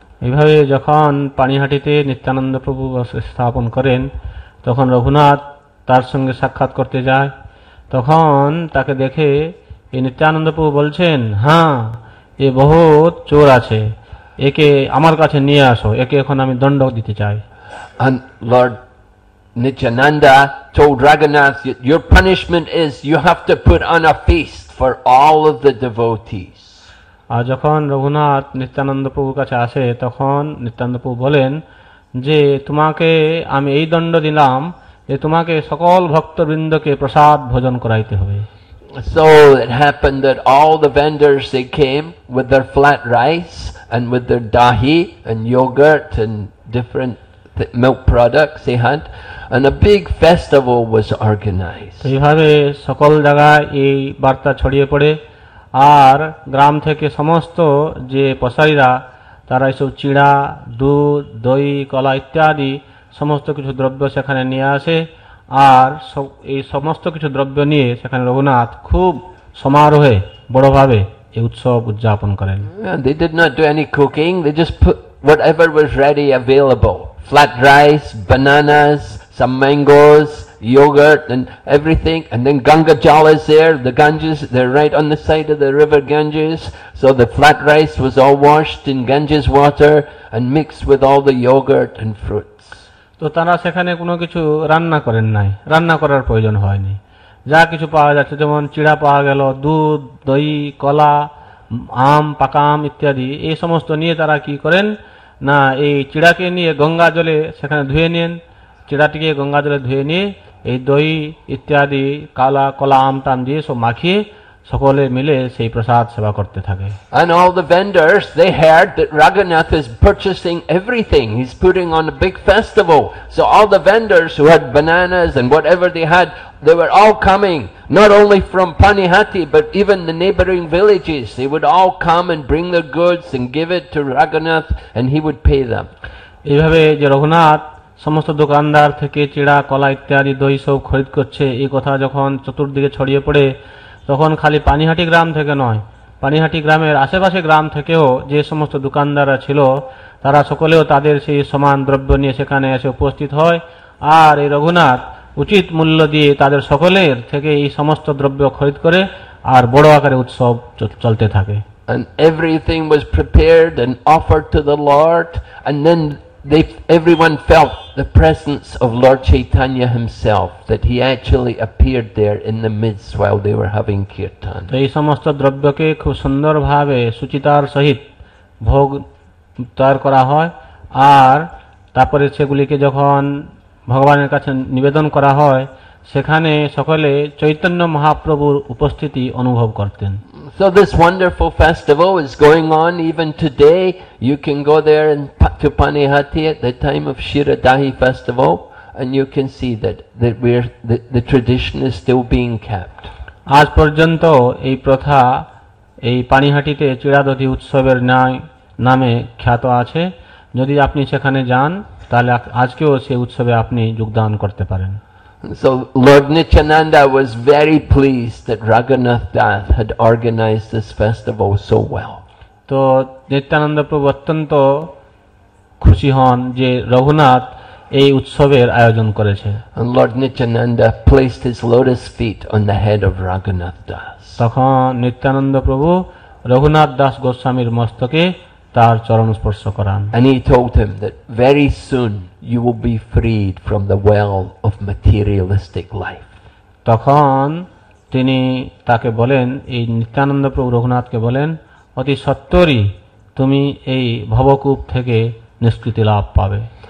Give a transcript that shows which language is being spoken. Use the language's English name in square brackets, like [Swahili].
[Bangla] এভাবে যখন পানিহাটিতে নিত্যানন্দ প্রভু স্থাপন করেন তখন রঘুনাথ তার সঙ্গে সাক্ষাৎ করতে যায়। তখন তাকে দেখে নিত্যানন্দ প্রভু বলছেন, হ্যাঁ, এ বহু চোর আছে, একে আমার কাছে নিয়ে আসো, একে এখন আমি দণ্ড দিতে চাই। [English] And Lord Nityananda told Raghunath, "Your punishment is you have to put on a feast for all of the devotees." [Bangla] আর যখন রঘুনাথ নিত্যানন্দ প্রভুর কাছে আসে তখন নিত্যানন্দ প্রভু বলেন যে তোমাকে আমি এই দণ্ড দিলাম যে তোমাকে সকল ভক্তবৃন্দকে প্রসাদ ভোজন করাইতে হবে। [English] So it happened that all the vendors, they came with their flat rice and with their dahi and yogurt and different milk products they had, and a big festival was organized. [Bangla] এইভাবে সকল জায়গায় এই বার্তা ছড়িয়ে পড়ে আর গ্রাম থেকে সমস্ত যে পসারীরা তারা এসব চিড়া, দুধ, দই, কলা ইত্যাদি সমস্ত কিছু দ্রব্য সেখানে নিয়ে আসে আর এই সমস্ত কিছু দ্রব্য নিয়ে সেখানে রঘুনাথ খুব সমারোহে বড়ভাবে এই উৎসব উদযাপন করেন। [English] They did not do any cooking. They just put whatever was ready available. Flat rice, bananas, some mangoes, yogurt and everything. And then Ganga Jal is there, the Ganges, they're right on the side of the river Ganges. So the flat rice was all washed in Ganges water and mixed with all the yogurt and fruit. [Bangla] তো তারা সেখানে কোনো কিছু রান্না করেন নাই, রান্না করার প্রয়োজন হয়নি। যা কিছু পাওয়া যাচ্ছে, যেমন চিড়া পাওয়া গেল, দুধ, দই, কলা, আম, পাকাম ইত্যাদি, এই সমস্ত নিয়ে তারা কি করেন না, এই চিড়াকে নিয়ে গঙ্গা জলে সেখানে ধুয়ে নেন, চিড়াটিকে গঙ্গা জলে ধুয়ে নিয়ে এই দই ইত্যাদি কলা কলা আম টাম দিয়ে সব মাখিয়ে সকলে মিলে সেই প্রসাদ সেবা করতে থাকে। [English] And all the vendors, they heard that Raghunath is purchasing everything. He's putting on a big festival. So all the vendors who had bananas and whatever they had, they were all coming. Not only from Panihati, but even the neighboring villages. They would all come and bring their goods and give it to Raghunath and he would pay them. [Bangla] এইভাবে যে রঘুনাথ সমস্ত দোকানদার থেকে চিড়া কলা ইত্যাদি দই সব খরিদ করছে এই কথা যখন চতুর্দিকে ছড়িয়ে পড়ে তখন খালি পানিহাটি গ্রাম থেকে নয়, পানিহাটি গ্রামের আশেপাশে গ্রাম থেকেও যে সমস্ত দোকানদাররা ছিল তারা সকলেও তাদের সেই সমান দ্রব্য নিয়ে সেখানে এসে উপস্থিত হয় আর এই রঘুনাথ উচিত মূল্য দিয়ে তাদের সকলের থেকে এই সমস্ত দ্রব্য খরিদ করে আর বড় আকারে উৎসব চলতে থাকে। [English] And everything was prepared and offered to the Lord, and then everyone felt the presence of Lord Chaitanya himself, that he actually appeared there in the midst while they were having kirtan. [Bangla] এই সমস্ত দ্রব্যকে খুব সুন্দরভাবে সুচিতার সহিত ভোগ তৈরি করা হয় আর তারপরে সেগুলিকে যখন ভগবানের কাছে নিবেদন করা হয় সেখানে সকলে চৈতন্য মহাপ্রভুর উপস্থিতি অনুভব করতেন। [English] So this wonderful festival is going on even today. You can go there and to Panihati at the time of Shiradahi festival and you can see that the tradition is still being kept. [Bangla] আজ পর্যন্ত এই প্রথা এই পানিহাটিতে চিড়াদধি উৎসবের নামে খ্যাত আছে। যদি আপনি সেখানে যান তাহলে আজকেও সেই উৎসবে আপনি যোগদান করতে পারেন। [English] So Lord Nityananda was very pleased that Raghunath Das had organized this festival so well. [Bangla] তো নিত্যানন্দ প্রভু অত্যন্ত খুশি হন যে রঘুনাথ এই উৎসবের আয়োজন করেছে। [English] And Lord Nityananda placed his lotus feet on the head of Raghunath Das. [Bangla] তখন নিত্যানন্দ প্রভু রঘুনাথ দাস গোস্বামীর মস্তকে তার চরণ স্পর্শ করান. [English] And he told him that very soon you will be freed from the well of materialistic life. [Bangla] তখন তিনি তাকে বলেন, এই নিত্যানন্দ প্রভু রঘুনাথকে বলেন, অতি সত্তরই তুমি এই ভবকূপ থেকে নিষ্কৃতি লাভ পাবে.